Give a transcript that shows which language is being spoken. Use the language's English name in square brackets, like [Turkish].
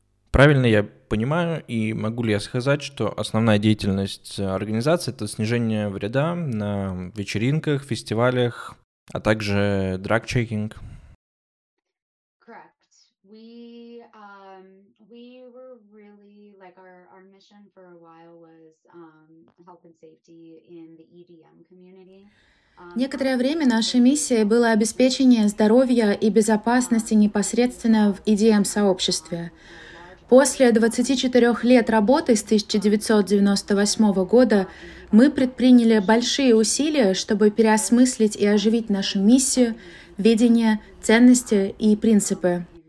[Russian] Правильно я понимаю, и могу ли я сказать, что основная деятельность организации – это снижение вреда на вечеринках, фестивалях, а также драг-чекинг. [English] Correct. We were really like our mission for a while was health and safety in the EDM community. [Russian] Некоторое время нашей миссией было обеспечение здоровья и безопасности непосредственно в EDM-сообществе. После 24 лет работы с 1998 года мы предприняли большие усилия, чтобы переосмыслить и оживить нашу миссию, видение, ценности и принципы.